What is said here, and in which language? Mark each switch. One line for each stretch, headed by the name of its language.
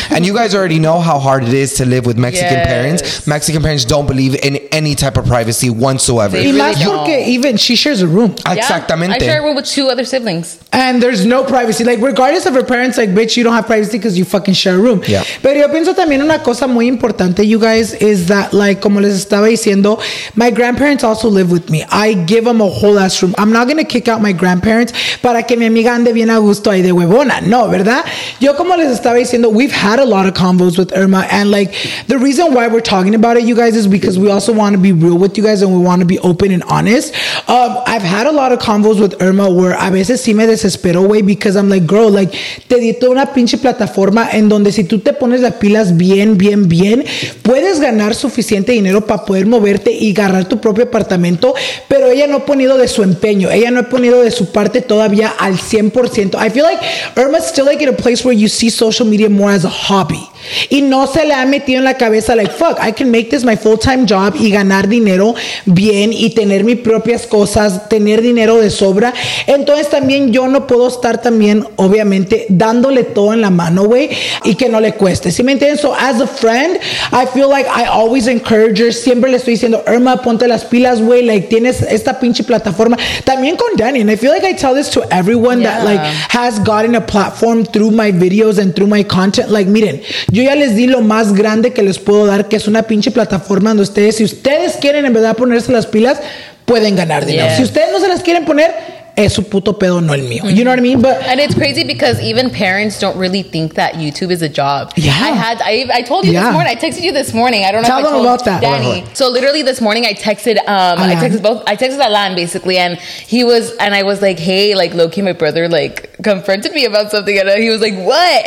English: And you guys already know how hard it is to live with Mexican, yes, parents. Mexican parents don't believe in any type of privacy whatsoever.
Spanish: Y más porque
English: even she shares a room.
Spanish: Yeah, exactamente.
English: I share a room with two other siblings. And there's no privacy. Like, regardless of her parents, like, bitch, you don't have privacy because you fucking share a room. Yeah.
Spanish: Pero yo pienso también una cosa muy importante, you guys, is that, like, como les estaba diciendo,
English: my grandparents also live with me. I give them a whole ass room. I'm not gonna kick out my grandparents
Spanish: para que mi amiga ande bien a gusto ahí de huevona. No, ¿verdad? Yo, como les estaba diciendo,
English: we've had a lot of convos with Irma, and, like, the reason why we're talking about it, you guys, is because we also want to be real with you guys and we want to be open and honest. I've had a lot of convos with Irma where
Spanish: a veces sí me desespero, güey,
English: because I'm like, girl, like,
Spanish: te di toda una pinche plataforma en donde si tú te pones las pilas bien, bien, bien, puedes ganar suficiente dinero para poder moverte y agarrar tu propio apartamento, pero ella no ha ponido de su empeño, ella no ha ponido de su parte todavía al 100%.
English: I feel like Irma's still, like, in a place where you see social media more as a hobby.
Spanish: Y no se le ha metido en la cabeza,
English: like, fuck, I can make this my full-time job
Spanish: y ganar dinero bien y tener mis propias cosas, tener dinero de sobra. Entonces también yo no puedo estar también, obviamente, dándole todo en la mano, güey, y que no le cueste. ¿Sí me entiendes?
English: So as a friend, I feel like I always encourage her.
Spanish: Siempre le estoy diciendo, Irma, ponte las pilas, güey, like, tienes esta pinche plataforma.
English: También con Danny, and I feel like I tell this to everyone yeah. that, like, has gotten a platform through my videos and through my content.
Spanish: Like, miren, yo ya les di lo más grande que les puedo dar, que es una pinche plataforma donde ustedes, si ustedes quieren en verdad ponerse las pilas, pueden ganar dinero. Yeah. Si ustedes no se las quieren poner, es su puto pedo, no el mío.
English: Mm-hmm. You know what I mean? But and it's crazy because even parents don't really think that YouTube is a job. Yeah. I told you this morning. I texted you this morning. I don't know. Tell them about that, Danny. So literally this morning I texted Alan basically, and he was, and I was like, hey, like, low key my brother like confronted me about something, and he was like, what?